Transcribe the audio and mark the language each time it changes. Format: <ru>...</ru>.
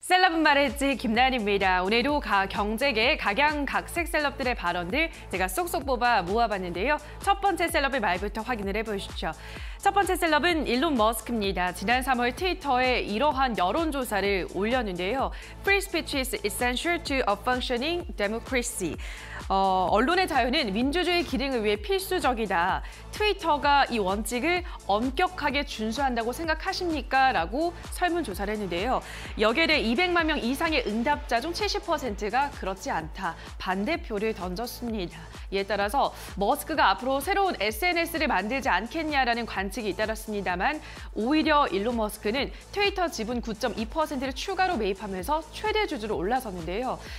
<ko>셀럽은 말했지 김나연입니다. 오늘도 경제계의 각양각색 셀럽들의 발언들 제가 쏙쏙 뽑아 모아봤는데요. 첫 번째 셀럽의 말부터 확인을 해보시죠. 첫 번째 셀럽은 일론 머스크입니다. 지난 3월 트위터에 이러한 여론조사를 올렸는데요.</ko> <en>Free speech is essential to a functioning democracy.</en> <ko>언론의 자유는 민주주의 기능을 위해 필수적이다. 트위터가 이 원칙을 엄격하게 준수한다고 생각하십니까? 라고 설문조사를 했는데요. 여기에 대해 200만 명 이상의 응답자 중 70%가 그렇지 않다. 반대표를 던졌습니다. 이에 따라서 머스크가 앞으로 새로운 SNS를 만들지 않겠냐라는 관측이 잇따랐습니다만 오히려 일론 머스크는 트위터 지분 9.2%를 추가로 매입하면서 최대 주주로 올라섰는데요.</ko>